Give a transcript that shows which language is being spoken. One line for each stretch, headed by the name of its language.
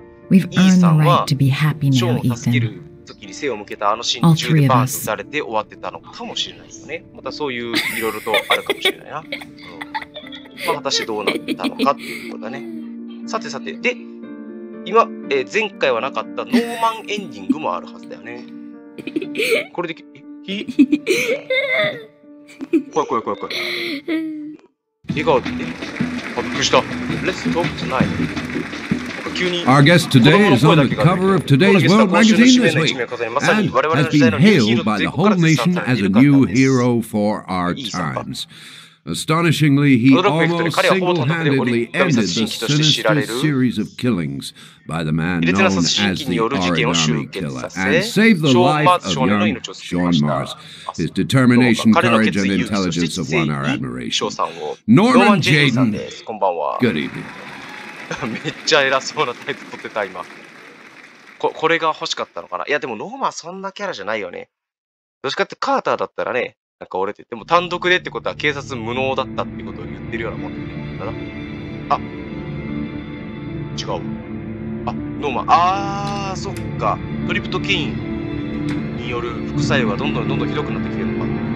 English: We've earned the right to be happy now, Ethan.
Japanese: 時に背を向けたあのシーンに中でバーンとされて終わってたのかもしれないですね。またそういういろいろとあるかもしれないな。まあ果たしてどうなったのかっていうことだね。さてさて、で、今、前回はなかったノーマンエンディングもあるはずだよね。これで、怖い。笑顔って、びっくりした。
English: Let's talk tonight. Our guest today is on the cover of Today's World Magazine this week and has been hailed by the whole nation as a new hero for our times. Astonishingly, he almost single-handedly ended the sinister series of killings by the man known as the Origami Killer and saved the life of young Sean Mars. His determination, courage, and intelligence have won our admiration. Norman Jaden, good evening.
Japanese: めっちゃ偉そうなタイプ撮ってた今これが欲しかったのかな。いやでもノーマンそんなキャラじゃないよね。どっちかってカーターだったらね、なんか俺ってでも単独でってことは警察無能だったってことを言ってるようなもんだね。あ、違う、あ、ノーマン、あーそっか、トリプトキンによる副作用がどんどんひどくなってきてるのか。